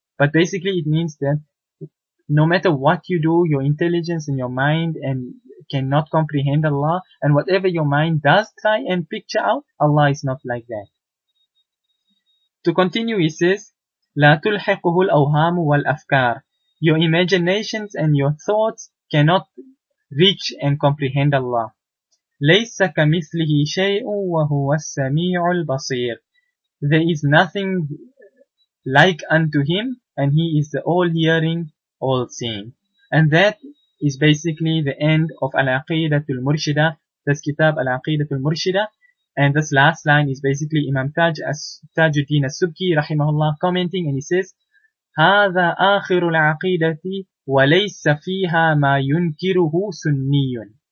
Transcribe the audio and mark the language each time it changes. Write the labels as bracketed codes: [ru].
[en] But basically it means that no matter what you do, your intelligence and your mind and cannot comprehend Allah, and whatever your mind does try and picture out, Allah is not like that. To continue, he says, [ar] لا تلحقه الأوهام والأفكار, [en] your imaginations and your thoughts cannot reach and comprehend Allah. [ar] ليس كمثله شيء وهو السميع البصير. [en] There is nothing like unto him, and he is the all-hearing, all-seeing. And that is basically the end of Al-Aqidatul Murshida, this kitab Al-Aqidatul Murshida. And this last line is basically Imam Tajuddin As-Subki, rahimahullah, commenting, and he says, [ar] هذا آخر العقيدة وليس فيها ما ينكره سني.